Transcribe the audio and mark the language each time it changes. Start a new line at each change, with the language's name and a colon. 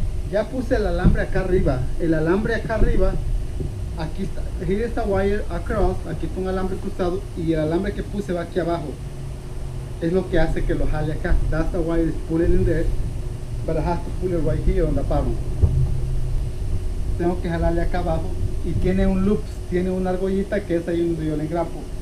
Spanish: Ya puse el alambre acá arriba. El alambre acá arriba, aquí está.
English: Here is a wire across.
Spanish: Aquí está un alambre cruzado. Y el alambre que puse va aquí abajo. Es lo que hace que lo jale acá.
English: That's the wire is pulling in there. But I have to pull it right here on the bottom.
Spanish: Tengo que jalarle acá abajo. Y tiene un loop, tiene una argollita que es ahí donde yo le engrapo.